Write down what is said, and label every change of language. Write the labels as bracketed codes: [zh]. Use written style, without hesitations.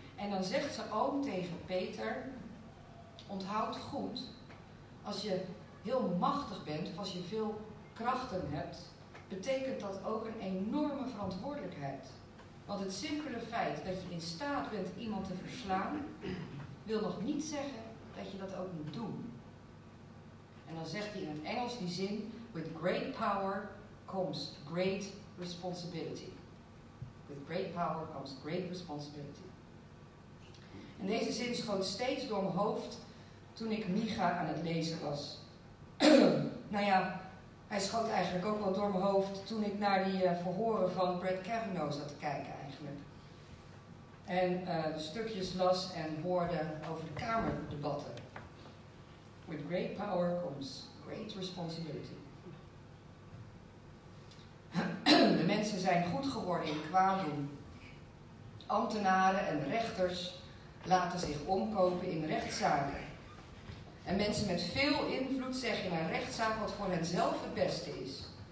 [nl] En dan zegt zijn oom tegen Peter, onthoud goed, als je heel machtig bent of als je veel krachten hebt, betekent dat ook een enorme verantwoordelijkheid. Want het simpele feit dat je in staat bent iemand te verslaan, wil nog niet zeggen dat je dat ook moet doen. En dan zegt hij in het Engels die zin, [en] with great power comes great responsibility. With great power comes great responsibility. [nl] En deze zin schoot steeds door mijn hoofd toen ik Micha aan het lezen was. Nou ja, hij schoot eigenlijk ook wel door mijn hoofd toen ik naar die verhoren van Brett Kavanaugh zat te kijken eigenlijk. En stukjes las en hoorde over de Kamerdebatten. [en] With great power comes great responsibility. [nl] De mensen zijn goed geworden in kwaad doen. Ambtenaren en rechters laten zich omkopen in rechtszaken. En mensen met veel invloed zeggen in een rechtszaak wat voor hen zelf het beste is.